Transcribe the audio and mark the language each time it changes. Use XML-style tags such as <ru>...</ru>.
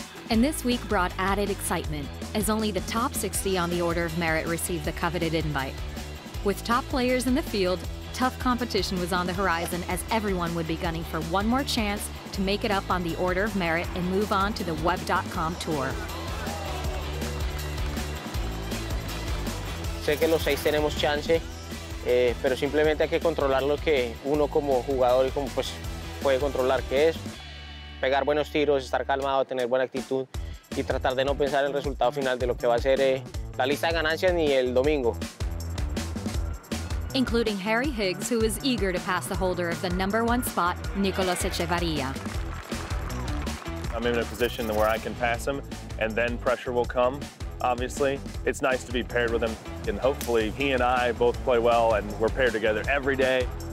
<en>And this week brought added excitement as only the top 60 on the order of merit received the coveted invite. With top players in the field, tough competition was on the horizon as everyone would be gunning for one more chance to make it up on the order of merit and move on to the Web.com Tour.</en> <es>Sé que los seis tenemos chance, pero simplemente hay que controlar lo que uno como jugador y como pues puede controlar, que es pegar buenos tiros, estar calmado, tener buena actitud y tratar de no pensar en el resultado final de lo que va a ser la lista de ganancias ni el domingo.</es> <en>Including Harry Higgs, who is eager to pass the holder of the number one spot, Nicolas Echevarria. I'm in a position where I can pass him, and then pressure will come. Obviously, it's nice to be paired with him, and hopefully he and I both play well and we're paired together every day.</en>